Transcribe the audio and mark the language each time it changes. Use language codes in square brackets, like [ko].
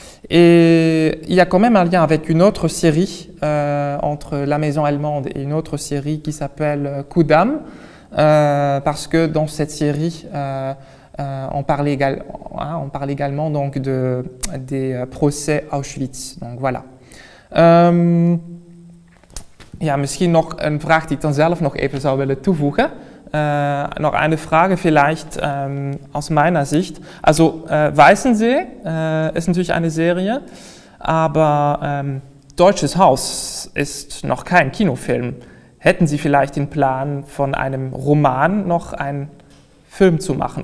[fr] Et il y a quand même un lien avec une autre série, entre La Maison Allemande et une autre série qui s'appelle Kudamm, parce que dans cette série, on parle également donc des procès Auschwitz. Donc voilà. [nl] Ja, misschien nog een vraag die ik dan zelf nog even zou willen toevoegen. Nog een vraag, [de] vielleicht aus meiner Sicht. [nl] Also, Weißensee is natuurlijk een serie, aber Deutsches Haus is nog geen Kinofilm. [de] Hätten Sie vielleicht den Plan, von einem Roman noch einen Film zu machen?